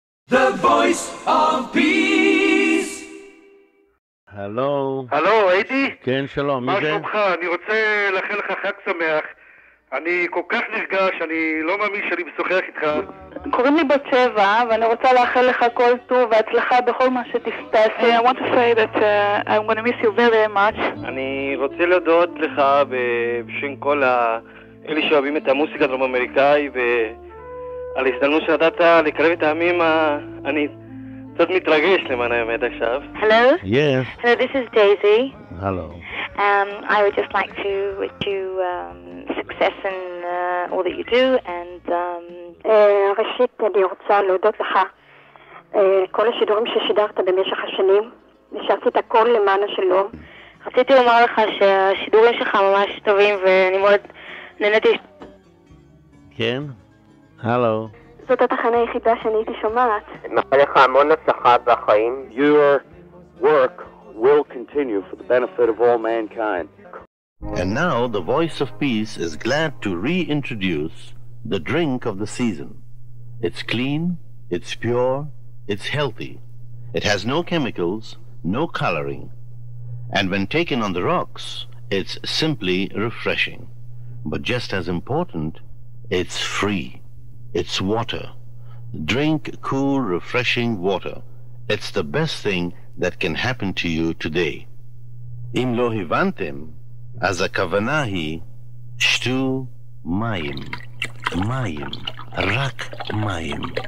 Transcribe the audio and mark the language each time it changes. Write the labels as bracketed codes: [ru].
[en] The voice of peace. [he] הלו. הלו, הייתי? כן, שלום. מה שלומך? אני רוצה לאחל לך חג שמח. אני כל כך נרגש, אני לא מאמין שאני משוחח איתך. קוראים לי בת שבע, ואני רוצה לאחל לך כל טוב והצלחה בכל מה שתעשה. [en] I want to say that I'm going to miss you very much. [he] אני רוצה להודות לך בשם כל אלה שאוהבים את המוסיקה הדרום-אמריקאי, ועל ההזדמנות שנתת לקרב את העמים. אני קצת מתרגש למען האמת עכשיו. [en] Hello? Yes. Hello, this is Daisy. Hello. I would just like to wish you success in all that you do and [he] ראשית אני רוצה להודות לך כל השידורים ששידרת במשך השנים, שעשית הכל למען השלום. רציתי לומר לך שהשידורים שלך ממש טובים ואני מאוד נהניתי. כן? הלו. זאת התחנה היחידה שאני הייתי שומעת. נאחל לך המון הצלחה בחיים. [en] Your work will continue for the benefit of all mankind. And now the Voice of Peace is glad to reintroduce the drink of the season. It's clean, it's pure, it's healthy. It has no chemicals, no coloring. And when taken on the rocks, it's simply refreshing. But just as important, it's free. It's water. Drink cool, refreshing water. It's the best thing that can happen to you today. [he] Im lo hivantem, אז הכוונה היא שתו מים, מים, רק מים.